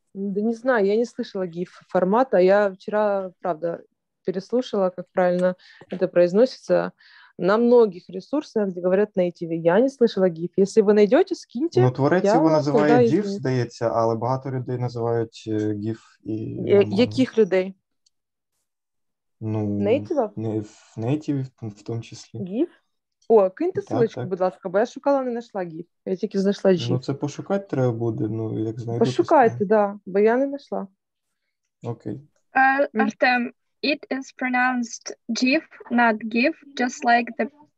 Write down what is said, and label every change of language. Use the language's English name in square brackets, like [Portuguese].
[Russian] Да не знаю, я не слышала GIF формата. Я вчера, правда, переслушала, как правильно это произносится. На многих ресурсах, где говорят native, я не слышала GIF. Если вы найдете, скиньте. [Ukrainian] Ну, [Russian] творец его называют [Ukrainian] GIF, здається, але багато людей називають GIF. Яких людей? Ну, [Russian] нейтивов? Нейтивов в том числе. GIF? [Ukrainian] О, киньте ссылочку, будь ласка, бо я шукала, не нашла GIF. Я тільки знайшла GIF. Ну, це пошукати треба буде, ну, як знайду. Пошукайте, так, да, бо я не знайшла. Окей. [English] Артем, it is pronounced GIF, not GIF, just like the...